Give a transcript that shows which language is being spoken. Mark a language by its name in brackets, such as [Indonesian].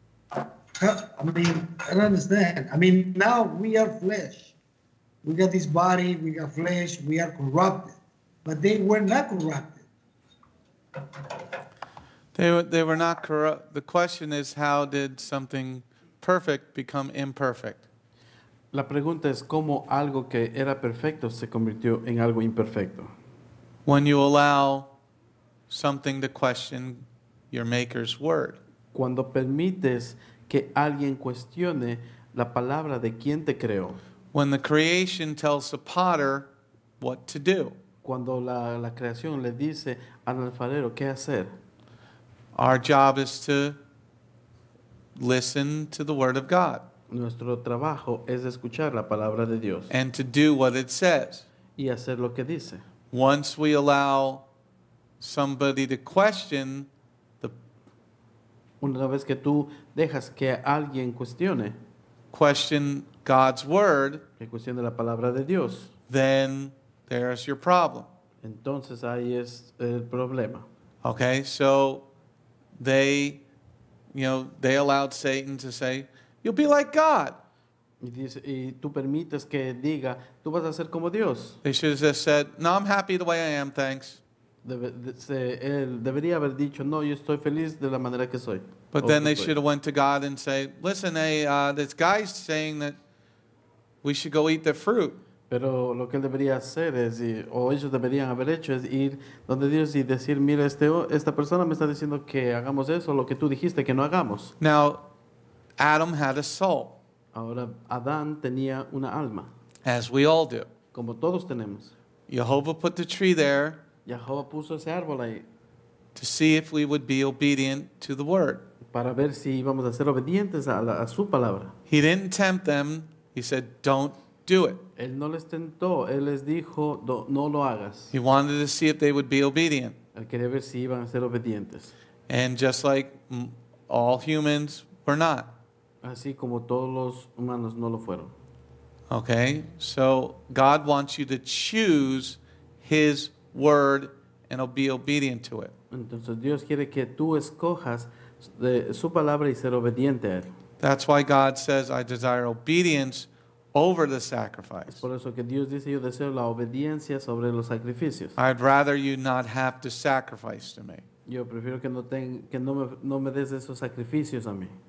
[English] I don't understand. I mean, now we are flesh. We got this body, we got flesh, we are corrupted. But they were not corrupted. They were not corrupt. The question is, how did something perfect become imperfect? [Spanish] La pregunta es cómo algo que era perfecto se convirtió en algo imperfecto. [English] When you allow something to question your maker's word. [Spanish] Cuando permites que alguien cuestione la palabra de quien te creó. [English] When the creation tells the potter what to do. [Spanish] Cuando la creación le dice al alfarero qué hacer. [English] Our job is to listen to the word of God. [Spanish] Nuestro trabajo es escuchar la palabra de Dios. [English] And to do what it says. [Spanish] Y hacer lo que dice. [English] Once we allow somebody to question the... [Spanish] Una vez que tú dejas que alguien cuestione... [English] Question God's word. [Spanish] Que cuestione la palabra de Dios. [English] Then there's your problem. [Spanish] Entonces ahí es el problema. [English] Okay, so they, you know, they allowed Satan to say... You'll be like God. [Spanish] Y tú permites que diga, tú vas a ser como Dios. [English] They should have just said, no, I'm happy the way I am, thanks. [Spanish] Él debería haber dicho, no, yo estoy feliz de la manera que soy. [English] But then they should have went to God and said, listen, this guy's saying that we should go eat the fruit. [Spanish] Pero lo que él debería hacer es, o ellos deberían haber hecho, es ir donde Dios y decir, mira, este, esta persona me está diciendo que hagamos eso, lo que tú dijiste que no hagamos. [English] Now, Adam had a soul. [Spanish] Ahora, Adán tenía una alma. [English] As we all do. [Spanish] Como todos tenemos. [English] Jehovah put the tree there. [Spanish] Jehovah puso ese árbol ahí. [English] To see if we would be obedient to the word. [Spanish] Para ver si íbamos a ser obedientes a su palabra. [English] He didn't tempt them. He said, don't do it. [Spanish] Él no les tentó. Él les dijo, no lo hagas. [English] He wanted to see if they would be obedient. [Spanish] Él quería ver si iban a ser obedientes. [English] And just like all humans, we're not. [Spanish] Así como todos los humanos no lo fueron. [English] Okay, so God wants you to choose His word and be obedient to it. [Spanish] Entonces Dios quiere que tú escojas de su palabra y ser obediente a él. [English] That's why God says, I desire obedience over the sacrifice. [Spanish] Por eso que Dios dice, yo deseo la obediencia sobre los sacrificios. [English] I'd rather you not have to sacrifice to me. [Spanish] Yo prefiero que no me des esos sacrificios a mí.